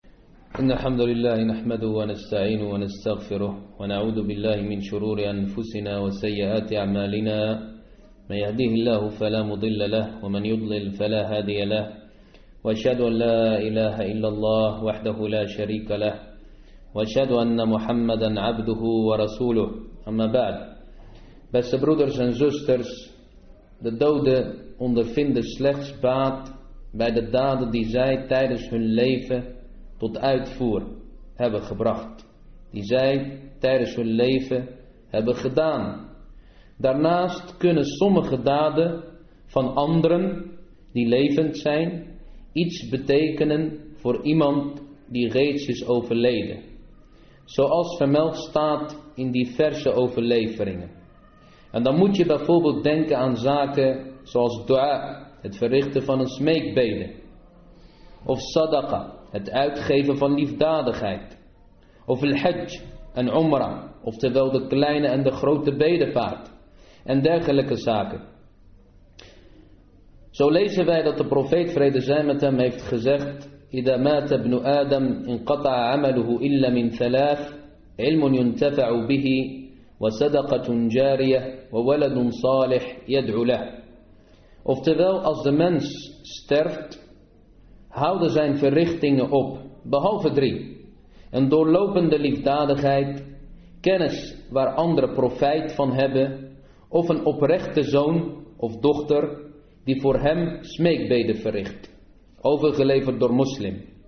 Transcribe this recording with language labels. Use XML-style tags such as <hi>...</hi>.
<ar>إن الحمد لله نحمده ونستعينه ونستغفره ونعوذ بالله من شرور أنفسنا وسيئات أعمالنا، من يهديه الله فلا مضل له ومن يضلل فلا هادي له، وأشهد أن لا إله إلا الله وحده لا شريك له، وأشهد أن محمدا عبده ورسوله. أما بعد،</ar> <nl>بس برودرز اند زوسترز، de doden ondervinden slechts baat bij de daden die zij tijdens hun leven tot uitvoer hebben gebracht, die zij tijdens hun leven hebben gedaan. Daarnaast kunnen sommige daden van anderen die levend zijn iets betekenen voor iemand die reeds is overleden, zoals vermeld staat in diverse overleveringen. En dan moet je bijvoorbeeld denken aan zaken zoals du'a, het verrichten van een smeekbede, of sadaqa, het uitgeven van liefdadigheid, of al-hajj en umra, oftewel de kleine en de grote bedevaart, en dergelijke zaken. Zo lezen wij dat de profeet, vrede zij met hem, heeft gezegd:</nl> <ar>إذا مات ابن آدم انقطع عمله إلا من ثلاث: علم ينتفع به وصدقة جارية وولد صالح يدعو له.</ar> <nl>Oftewel, als de mens sterft, houden zijn verrichtingen op, behalve drie: een doorlopende liefdadigheid, kennis waar anderen profijt van hebben, of een oprechte zoon of dochter die voor hem smeekbeden verricht, overgeleverd door moslim.</nl>